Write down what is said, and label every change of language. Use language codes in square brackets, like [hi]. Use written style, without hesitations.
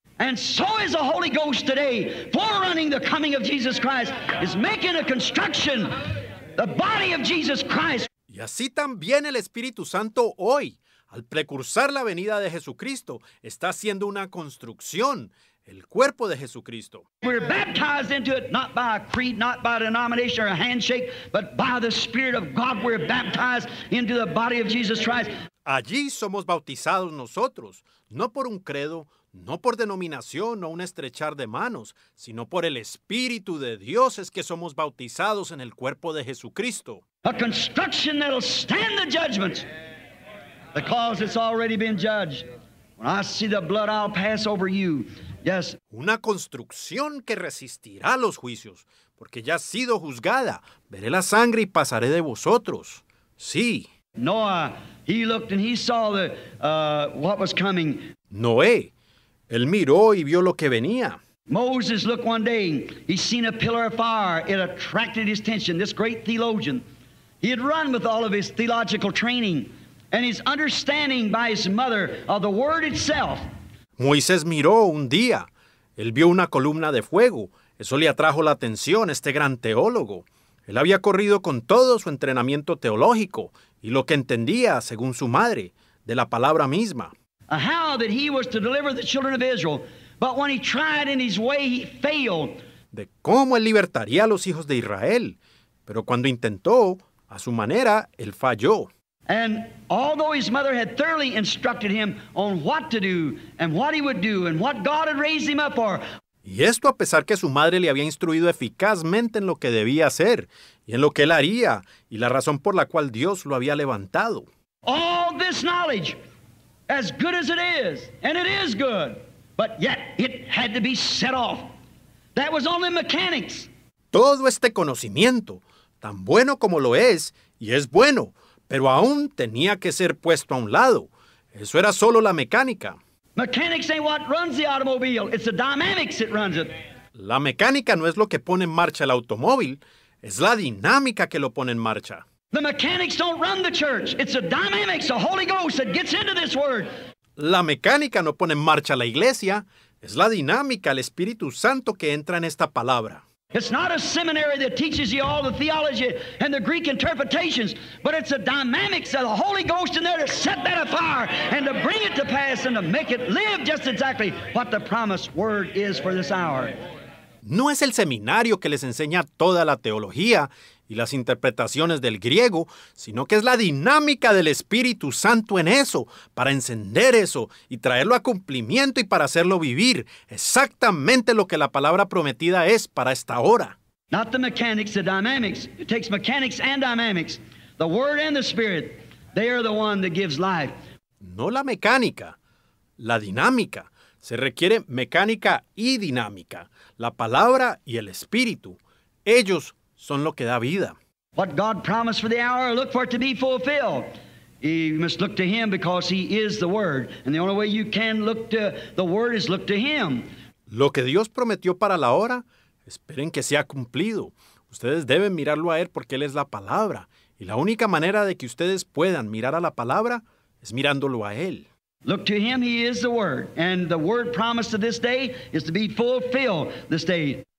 [en] And so is the Holy Ghost today, forerunning the coming of Jesus Christ, is making a construction, the body of Jesus Christ. [es] Y así también el Espíritu Santo hoy, al precursar la venida de Jesucristo, está haciendo una construcción. El cuerpo de Jesucristo. [en] We're baptized into it, not by a creed, not by a denomination or a handshake, but by the Spirit of God. We're baptized into the body of Jesus Christ. [es] Allí somos bautizados nosotros, no por un credo, no por denominación o un estrechar de manos, sino por el Espíritu de Dios es que somos bautizados en el cuerpo de Jesucristo. [en] A construction that'll stand the judgment, because it's already been judged. When I see the blood, I'll pass over you. Yes. [es] Una construcción que resistirá los juicios, porque ya ha sido juzgada. Veré la sangre y pasaré de vosotros. Sí. [en] Noah, he looked and he saw the what was coming. [es] Noé, él miró y vio lo que venía. [en] Moses looked one day. He seen a pillar of fire. It attracted his attention. This great theologian, he had run with all of his theological training and his understanding by his mother of the word itself. [es] Moisés miró un día. Él vio una columna de fuego. Eso le atrajo la atención, este gran teólogo. Él había corrido con todo su entrenamiento teológico y lo que entendía, según su madre, de la palabra misma. [en] How that he was to deliver the children of Israel, but when he tried in his way, he failed. [es] De cómo él libertaría a los hijos de Israel. Pero cuando intentó, a su manera, él falló. [en] And although his mother had thoroughly instructed him on what to do and what he would do and what God had raised him up for. [es] Y esto a pesar que su madre le había instruido eficazmente en lo que debía hacer y en lo que él haría y la razón por la cual Dios lo había levantado. [en] All this knowledge, as good as it is, and it is good, but yet it had to be set off. That was only mechanics. [es] Todo este conocimiento, tan bueno como lo es, y es bueno, pero aún tenía que ser puesto a un lado. Eso era solo la mecánica. [en] Mechanics ain't what runs the automobile. It's the dynamics that runs it. [es] La mecánica no es lo que pone en marcha el automóvil. Es la dinámica que lo pone en marcha. [en] The mechanics don't run the church. It's the dynamics, the Holy Ghost that gets into this word. [es] La mecánica no pone en marcha la iglesia. Es la dinámica, el Espíritu Santo que entra en esta palabra. [en] It's not a seminary that teaches you all the theology and the Greek interpretations, but it's the dynamics of the Holy Ghost in there to set that afire and to bring it to pass and to make it live just exactly what the promised word is for this hour. [es] No es el seminario que les enseña toda la teología y las interpretaciones del griego, sino que es la dinámica del Espíritu Santo en eso, para encender eso y traerlo a cumplimiento y para hacerlo vivir exactamente lo que la palabra prometida es para esta hora. [en] Not the mechanics, the dynamics. It takes mechanics and dynamics. The Word and the Spirit, they are the one that gives life. [es] No la mecánica, la dinámica. Se requiere mecánica y dinámica. La palabra y el Espíritu, ellos son lo que da vida. [en] What God promised for the hour, look for it to be fulfilled. You must look to Him because He is the Word. And the only way you can look to the Word is look to Him. [es] Lo que Dios prometió para la hora, esperen que sea cumplido. Ustedes deben mirarlo a Él porque Él es la palabra. Y la única manera de que ustedes puedan mirar a la palabra es mirándolo a Él. [en] Look to Him, He is the Word. And the Word promised to this day is to be fulfilled this day.